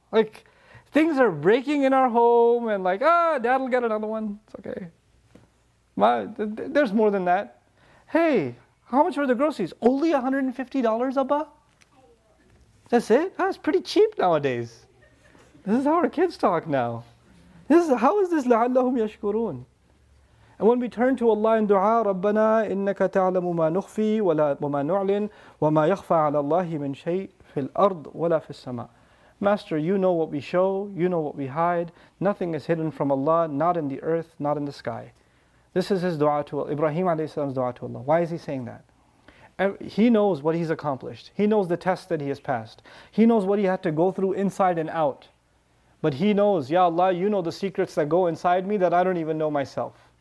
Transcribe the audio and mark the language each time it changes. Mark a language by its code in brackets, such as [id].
[en] Like, things are breaking in our home, and like, dad will get another one. It's okay. There's more than that. Hey, how much were the groceries? Only $150, Abba? That's it? That's pretty cheap nowadays. This is how our kids talk now. How is this [ar] لَعَلَّهُمْ يَشْكُرُونَ? [en] And when we turn to Allah in dua, [ar] رَبَّنَا إِنَّكَ تَعْلَمُ مَا نُخْفِي وَمَا نُعْلِن وَمَا يَخْفَى عَلَى اللَّهِ مِنْ شَيْءٍ فِي الْأَرْضِ وَلَا فِي السَّمَاءِ. [en] Master, you know what we show, you know what we hide. Nothing is hidden from Allah, not in the earth, not in the sky. This is his dua to Allah, Ibrahim alayhi salam's dua to Allah. Why is he saying that? He knows what he's accomplished. He knows the test that he has passed. He knows what he had to go through inside and out. But he knows, Ya Allah, you know the secrets that go inside me that I don't even know myself.